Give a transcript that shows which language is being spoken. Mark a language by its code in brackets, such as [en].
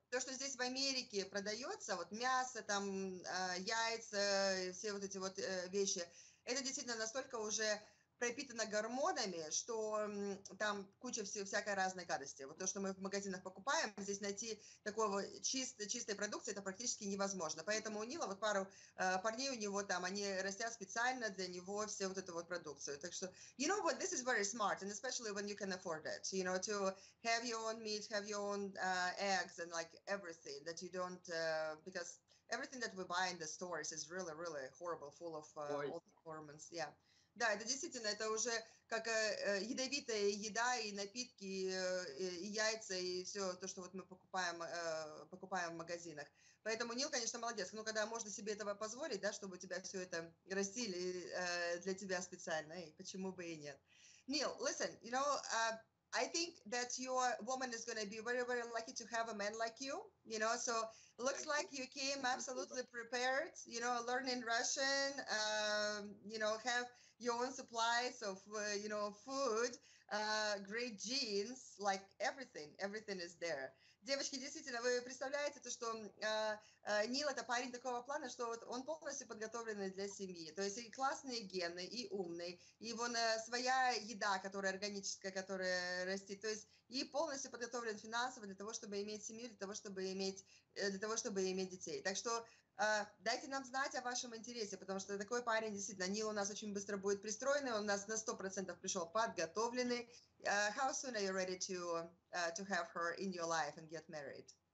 [ru] То, что здесь в Америке продается, вот мясо, там яйца, все вот эти вот вещи, это действительно настолько уже пропитано гормонами, что там куча всякой разной гадости. Вот то, что мы в магазинах покупаем, здесь найти такого чистой продукции, это практически невозможно. Поэтому у Нила вот пару парней у него там, они растят специально для него все вот эту вот продукцию. Так что, [en] you know what, this is very smart, and especially when you can afford it, you know, to have your own meat, have your own eggs, and like everything that you don't, because everything that we buy in the stores is really, really horrible, full of all the hormones, yeah. [ru] Да, это действительно, это уже как ядовитая еда и напитки, и яйца, и все то, что вот мы покупаем в магазинах. Поэтому Нил, конечно, молодец. Но когда можно себе этого позволить, да, чтобы у тебя все это растили для тебя специально, и почему бы и нет. [en] Нил, listen, you know, I think that your woman is going to be very, very lucky to have a man like you, you know, so looks like you came absolutely prepared, you know, learning Russian, you know, have your own supplies of, you know, food, great jeans, like everything is there. [ru] Девочки, действительно, вы представляете то, что Нил – это парень такого плана, что вот он полностью подготовленный для семьи. То есть и классные гены, и умный, и вон своя еда, которая органическая, которая растет. То есть и полностью подготовлен финансово для того, чтобы иметь семью, для того, чтобы иметь детей. Так что дайте нам знать о вашем интересе, потому что такой парень, действительно, Нил у нас очень быстро будет пристроенный, он у нас на 100% пришел подготовленный. [en] How soon are you ready to have her in your life and get married?